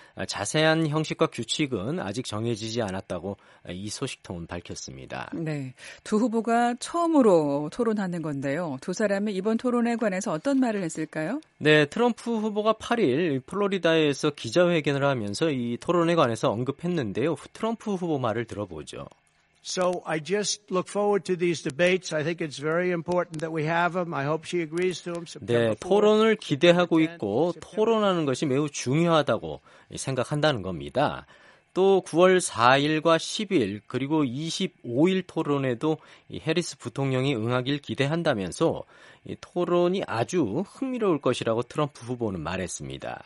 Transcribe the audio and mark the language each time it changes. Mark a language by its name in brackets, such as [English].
[Korean] 자세한 형식과 규칙은 아직 정해지지 않았다고 이 소식통은 밝혔습니다. 네, 두 후보가 처음으로 토론하는 건데요. 두 사람이 이번 토론에 관해서 어떤 말을 했을까요? 네, 트럼프 후보가 8일 플로리다에서 기자회견을 하면서 이 토론에 관해서 언급했는데요. 트럼프 후보 말을 들어보죠. [English] So I just look forward to these debates. I think it's very important that we have them. I hope she agrees to them. [Korean] 네, 토론을 기대하고 있고 토론하는 것이 매우 중요하다고 생각한다는 겁니다. 또 9월 4일과 10일 그리고 25일 토론에도 해리스 부통령이 응하길 기대한다면서 이 토론이 아주 흥미로울 것이라고 트럼프 후보는 말했습니다.